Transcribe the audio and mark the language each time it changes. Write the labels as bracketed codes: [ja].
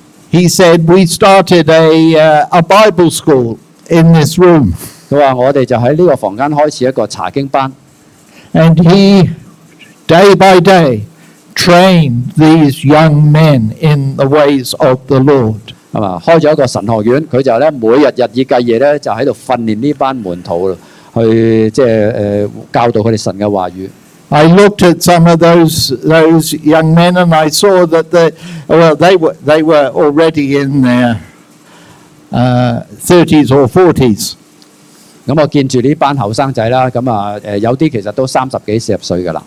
[en] He said we started a Bible school in this room。 [yue] 佢話：我哋就喺呢個房間開始一個查經班。 [en] And he day by day trained these young men in the ways of the Lord。 [yue] 係嘛？開咗一個神學院，佢就咧每日日以繼夜咧就喺度訓練呢班門徒，去即係教導佢哋神嘅話語。 [en] I looked at some of those young men and I saw that they were already in their 30s or 40s. [yue] 咁我見住呢班後生仔啦，咁啊有啲其實都三十幾四十歲噶啦。